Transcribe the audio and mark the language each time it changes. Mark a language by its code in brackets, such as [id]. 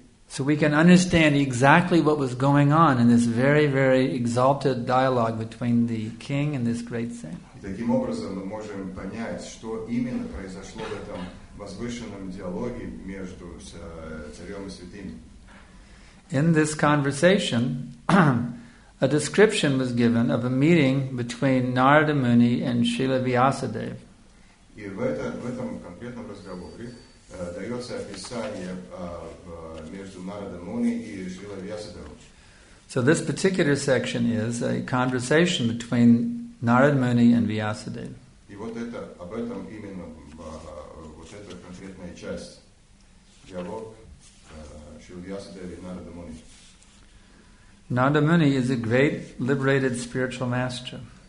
[en] So we can understand exactly what was going on in this very, very exalted dialogue between the king and this great saint. [ru] И таким образом мы можем понять, что именно произошло в этом возвышенном диалоге между царем и святым. [en] In this conversation, a description was given of a meeting between Narada Muni and Śrīla Vyāsadeva. [ru] И в этом конкретном разговоре дается описание между Narada Muni и Śrīla Vyāsadeva. [en] So this particular section is a conversation between Narada Muni and Vyāsadeva. [ru] И вот это, об этом именно, вот эта конкретная часть, диалог Śrīla Vyāsadeva и Narada Muni. [en] Narada Muni is a great liberated spiritual master.